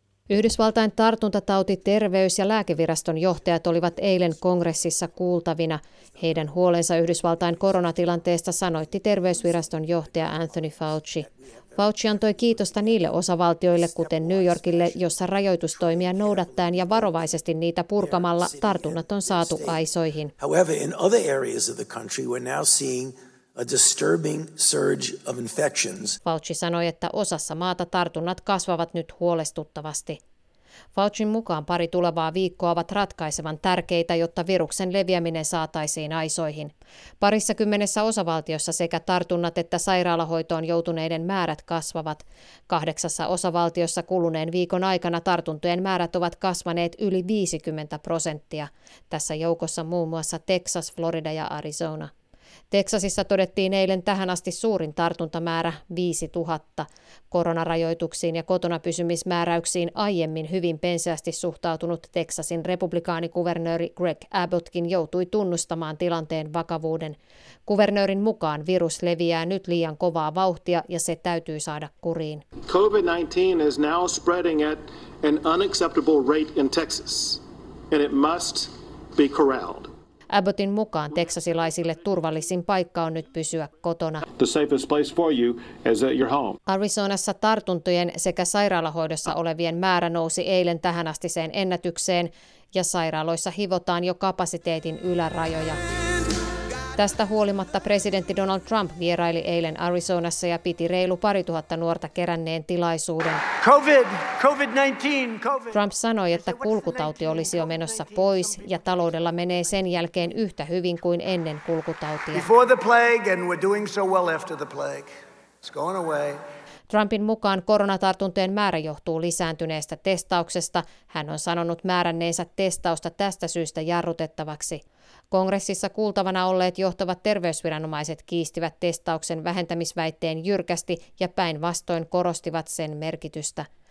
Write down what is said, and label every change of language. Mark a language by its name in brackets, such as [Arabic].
[Finnish] Yhdysvaltain tartuntatauti-, terveys- ja lääkeviraston johtajat olivat eilen kongressissa kuultavina. Heidän huolensa Yhdysvaltain koronatilanteesta sanoitti terveysviraston johtaja Anthony Fauci. Fauci antoi kiitosta niille osavaltioille, kuten New Yorkille, jossa rajoitustoimia noudattaen ja varovaisesti niitä purkamalla tartunnat on saatu aisoihin. [English] However, in other areas of the country, we're now seeing a disturbing surge of infections. [Finnish] Fauci sanoi, että osassa maata tartunnat kasvavat nyt huolestuttavasti. Faucin mukaan pari tulevaa viikkoa ovat ratkaisevan tärkeitä, jotta viruksen leviäminen saataisiin aisoihin. Parissa kymmenessä osavaltiossa sekä tartunnat että sairaalahoitoon joutuneiden määrät kasvavat. Kahdeksassa osavaltiossa kuluneen viikon aikana tartuntojen määrät ovat kasvaneet yli 50%. Tässä joukossa muun muassa Texas, Florida ja Arizona. Teksasissa todettiin eilen tähän asti suurin tartuntamäärä, 5000. Koronarajoituksiin ja kotona pysymismääräyksiin aiemmin hyvin penseästi suhtautunut Teksasin republikaanikuvernööri Greg Abbottkin joutui tunnustamaan tilanteen vakavuuden. Kuvernöörin mukaan virus leviää nyt liian kovaa vauhtia ja se täytyy saada kuriin. [English] COVID-19 is now spreading at an unacceptable rate in Texas and it must be corralled. [Finnish] Abbottin mukaan teksasilaisille turvallisin paikka on nyt pysyä kotona. [English] The safest place for you is at your home. [Finnish] Arizonassa tartuntojen sekä sairaalahoidossa olevien määrä nousi eilen tähän astiseen ennätykseen ja sairaaloissa hivotaan jo kapasiteetin ylärajoja. Tästä huolimatta presidentti Donald Trump vieraili eilen Arizonassa ja piti reilu 2000 nuorta keränneen tilaisuuden. COVID-19. Trump sanoi, että kulkutauti olisi jo menossa pois ja taloudella menee sen jälkeen yhtä hyvin kuin ennen kulkutautia. [English] Before the plague and we're doing so well after the plague. It's going away. [Finnish] Trumpin mukaan koronatartuntojen määrä johtuu lisääntyneestä testauksesta. Hän on sanonut määränneensä testausta tästä syystä jarrutettavaksi. Kongressissa kuultavana olleet johtavat terveysviranomaiset kiistivät testauksen vähentämisväitteen jyrkästi ja päinvastoin korostivat sen merkitystä.